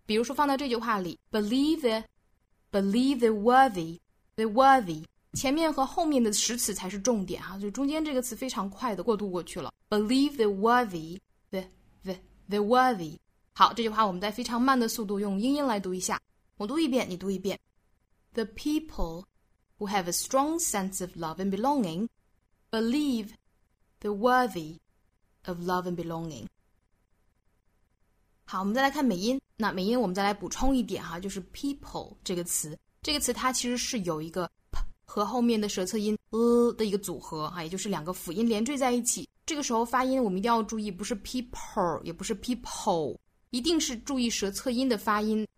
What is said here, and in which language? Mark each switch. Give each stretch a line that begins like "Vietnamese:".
Chinese: 比如说放到这句话里
English: believe they're worthy
Chinese: 前面和后面的实词才是重点哈，就中间这个词非常快的过渡过去了。
English: Believe they're worthy, they're worthy。
Chinese: 好，这句话我们在非常慢的速度用英音来读一下，我读一遍，你读一遍。
English: The people who have a strong sense of love and belonging believe they're worthy of love and belonging。
Chinese: 好，我们再来看美音，那美音我们再来补充一点哈，就是 people 这个词，这个词它其实是有一个和后面的舌侧音 的一个组合，也就是两个辅音连缀在一起，这个时候发音我们一定要注意，不是 people 也不是 people， 一定是注意舌侧音的发音。